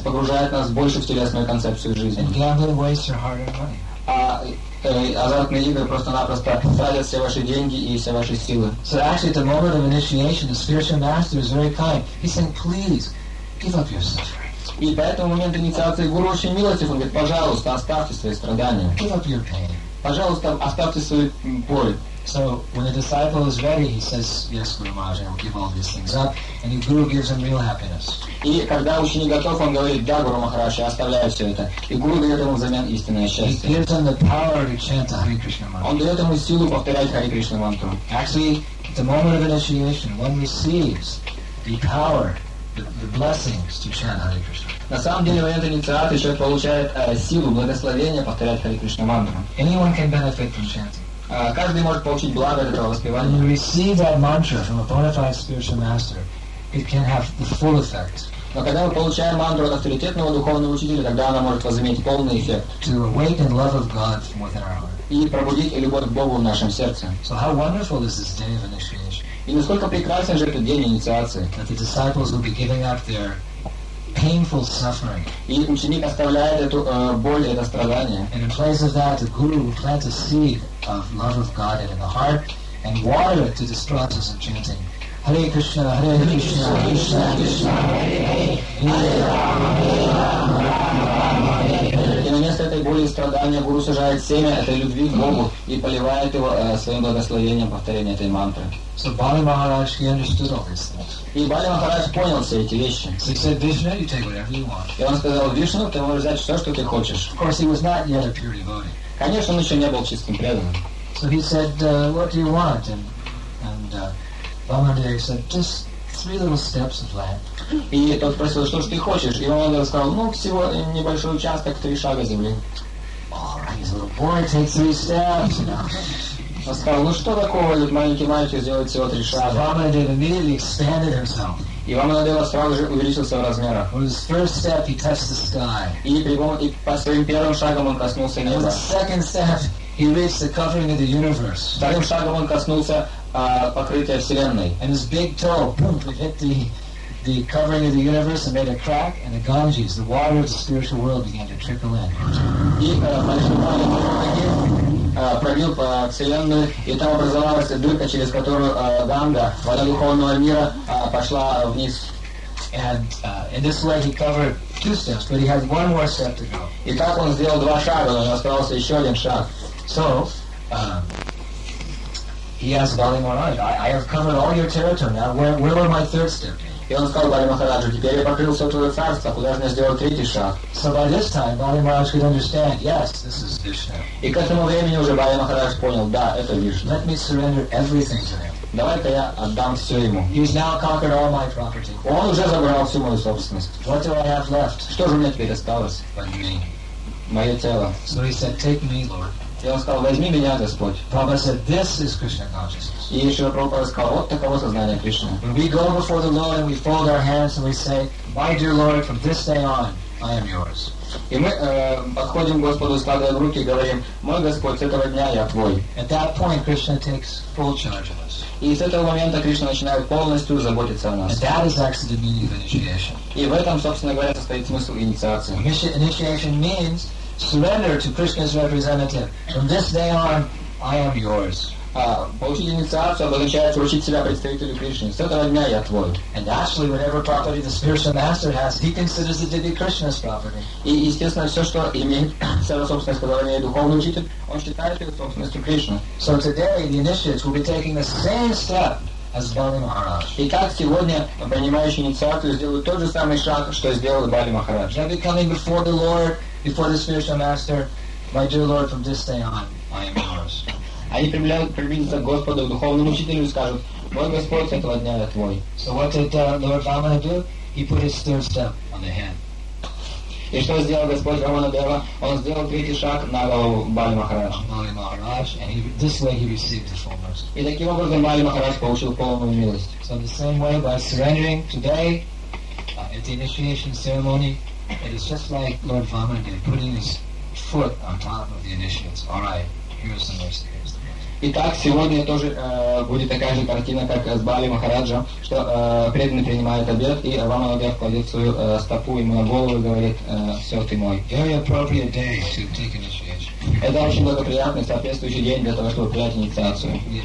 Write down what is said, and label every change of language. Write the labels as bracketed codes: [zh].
[ru] Погружает нас больше в телесную концепцию жизни. [en] And gambling wastes your hard-earned money. [ru] азартные игры просто-напросто тратят все ваши деньги и все ваши силы. [en] So actually, at the moment of initiation, the spiritual master is very kind. He's saying, please, give up your suffering. [ru] И поэтому в момент инициации гуру очень милостив, он говорит, пожалуйста, оставьте свои страдания. [en] Give up your pain. [ru] Пожалуйста, оставьте свою боль. [en] So when the disciple is ready, he says, yes, Guru Maharaj, I will give all these things up. And the Guru gives him real happiness. [ru] И когда ученик готов, он говорит, да, Гуру Махараш, я оставляю все это. И Гуру дает ему взамен истинное счастье. [en] He gives him the power to chant the Hare Krishna mantra. [ru] Он дает ему силу повторять Hare Krishna mantra. [en] Actually, at the moment of initiation, one receives the power, the blessings to chant Hare Krishna. [ru] На самом деле, в момент инициации человек получает силу, благословение повторять Hare Krishna mantra. [en] Anyone can benefit from chanting. [ru] Каждый может получить благо от этого воспевания. [en] When you receive that mantra from a bona fide spiritual master, it can have the full effect. [ru] Но когда мы получаем мантру от авторитетного духовного учителя, тогда она может возыметь полный эффект. [en] To awaken love of God from within our heart. [ru] И пробудить любовь к Богу в нашем сердце. [en] So how wonderful is this day of initiation? [ru] И насколько прекрасен же этот день инициации? [en] That the disciples will be giving up their painful suffering. [ru] И ученик оставляет эту боль, это страдание. [en] And in place of that, the guru will plant a seed of love of God in the heart and water it to the process of chanting. [sa] Hare Krishna, Hare Krishna, Krishna Krishna, Hare Hare, Hare Rama, Hare Rama, Hare Hare. [ru] И на место этой боли и страдания гуру сажает семя этой любви к Богу и поливает его своим благословением повторения этой мантры. [en] So Bali Maharaj, he understood all these things. [ru] И Бали Махарадж понял все эти вещи. [en] So he said, Vishnu, you take whatever you want. [ru] И он сказал, Вишну, ты можешь взять все, что ты хочешь. [en] Of course, he was not yet a pure devotee. [ru] Конечно, он еще не был чистым преданным. [en] So he said, what do you want? And Vamadeva said, just three little steps of land. [ru] И тот спросил, что ж ты хочешь? И Вамадеев сказал, ну, всего небольшой участок, три шага земли. [en] All right, he's a little boy, take three steps. [ru] Он сказал, ну что такого, этот маленький мальчик сделает всего три шага? [en] Vamadeva immediately expanded himself. [ru] И Вамадева сразу же увеличился в размерах. [en] With his first step, he touched the sky. [ru] И по своим первым шагам он коснулся неба. [en] With his second step, he reached the covering of the universe. [ru] Вторым шагом он коснулся покрытия Вселенной. [en] And his big toe, boom, it hit the covering of the universe and made a crack, and the Ganges, the water of the spiritual world, began to trickle in. [ru] И большой палец пробил по Вселенной, и там образовалась дырка, через которую Ганга, вода духовного мира, пошла вниз. [en] And in this way he covered two steps, but he had one more step to go. [ru] И так он сделал два шага, но оставался еще один шаг. [en] So, he asked Bali Maharaj, I have covered all your territory now, where will my third step be? [ru] И он сказал Бали Махараджу, теперь я покрыл все твое царство, куда же мне сделать третий шаг? [en] So by this time, Бали Махарадж could understand, yes, this is Vishnu. [ru] И к этому времени уже Бали Махарадж понял, да, это Вишна. [en] Let me surrender everything to him. [ru] Давай-ка я отдам все ему. [en] He's now conquered all my property. [ru] Он уже забрал всю мою собственность. [en] What do I have left? [ru] Что же у меня теперь осталось? [en] By me. [ru] Мое тело. [en] So he said, take me, Lord. [ru] И он сказал, возьми меня, Господь. [en] Prabhupada said, this is Krishna consciousness. [ru] И Шрила Прабхупада сказал, вот таково сознание Кришны. [en] When we go before the Lord and we fold our hands and we say, my dear Lord, from this day on, I am yours. [ru] И мы подходим к Господу, складываем руки и говорим, мой Господь, с этого дня я твой. [en] At that point, Krishna takes full charge of us. [ru] И с этого момента Кришна начинает полностью заботиться о нас. [en] And that is actually the meaning of initiation. [ru] И в этом, собственно говоря, состоит смысл инициации. [en] Initiation means surrender to Krishna's representative. From this day on, I am yours. [ru] Получить инициацию означает вручить себя представителю Кришны. С этого дня я твой. [en] And actually, whatever property the spiritual master has, he considers it to be Krishna's property. [ru] И естественно, все, что имеет вся собственность, которая имеет духовный учитель, он считает это собственностью Кришны. [en] So today, the initiates will be taking the same step as Bali Maharaj. [ru] И так сегодня принимающие инициацию сделают тот же самый шаг, что сделал Бали Махарадж. [en] They'll be coming before the Lord, before the spiritual master, my dear Lord, from this day on, I am yours. [ru] Они приблизятся к Господу, к духовному учителю, и скажут, мой Господь, с этого дня я твой. [en] So what did Lord Ramana do? He put his third step on the hand. [ru] И что сделал Господь Раманадева? Он сделал третий шаг на голову Бали Махарадж. Бали Махарадж, and this way he received the full mercy. И таким образом Бали Махарадж получил полную милость. [en] So in the same way, by surrendering today, at the initiation ceremony, it is just like Lord Vamana putting his foot on top of the initiates. All right, here's the mercy. Here's the mercy. [ru] Итак, сегодня тоже будет такая же картина, как с Бали Махараджа, что преданный принимает обед, и Рамана кладет свою стопу ему на голову и говорит: «Все, ты мой». Это очень благоприятный, соответствующий день для того, чтобы принять инициацию.